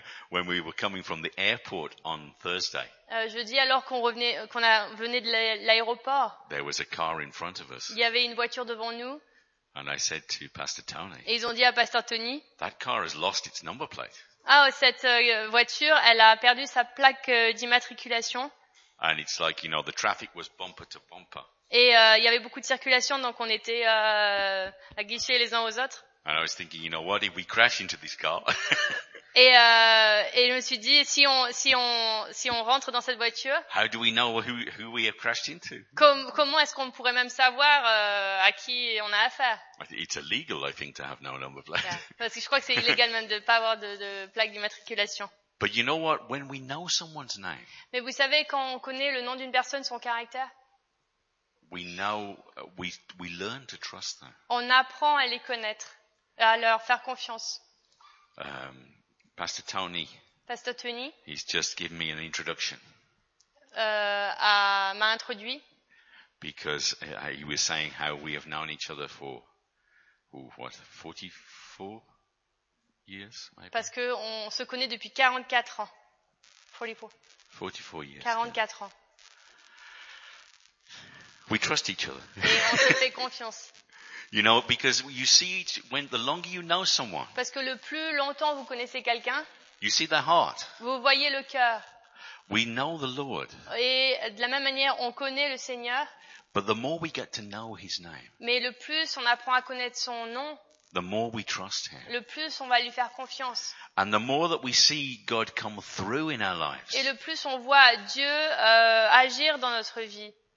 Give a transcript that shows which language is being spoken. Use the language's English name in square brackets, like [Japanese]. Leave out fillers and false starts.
[English] When we were coming from the airport on Thursday. [French] Jeudi, alors qu'on venait de l'aéroport. [English] There was a car in front of us. [French] Il y avait une voiture devant nous. [English] And I said to Pastor Tony. [French] Et ils ont dit à Pasteur Tony. [English] That car has lost its number plate. [French] Ah, cette voiture, elle a perdu sa plaque d'immatriculation. [English] And it's like, you know, the traffic was bumper to bumper. [French] Et il y avait beaucoup de circulation, donc on était à guichet les uns aux autres. [English] And I was thinking, you know what, if we crash into this car. [French] Et je me suis dit, si on rentre dans cette voiture, [English] how do we know who we have crashed into? [French] Comment est-ce qu'on pourrait même savoir à qui on a affaire? [English] It's illegal, I think, to have no number plate. Yeah. [French] Parce que je crois que c'est illégal même de ne pas avoir de plaque d'immatriculation. [English] But you know what? When we know someone's name, [French] mais vous savez, quand on connaît le nom d'une personne, son caractère, [English] we learn to trust them. [French] On apprend à les connaître, à leur faire confiance. [English] Pastor Tony, he's just given me an introduction. [French] M'a introduit. [English] Because he was saying how we have known each other for 44 years, maybe. [French] Parce que on se connaît depuis 44 ans. [English] 44. 44 years. [French] 44 ans. [English] We trust each other. [French] Et on se fait confiance. [English] You know, because you see, when the longer you know someone, [French] parce que le plus longtemps vous connaissez quelqu'un, [English] you see the heart. [French] Vous voyez le cœur. [English] We know the Lord. [French] Et de la même manière, on connaît le Seigneur. [English] But the more we get to know His name, [French] mais le plus on apprend à connaître son nom, [English] the more we trust Him, [French] le plus on va lui faire confiance. [English] And the more that we see God come through in our lives, [French] et le plus on voit Dieu agir dans notre vie.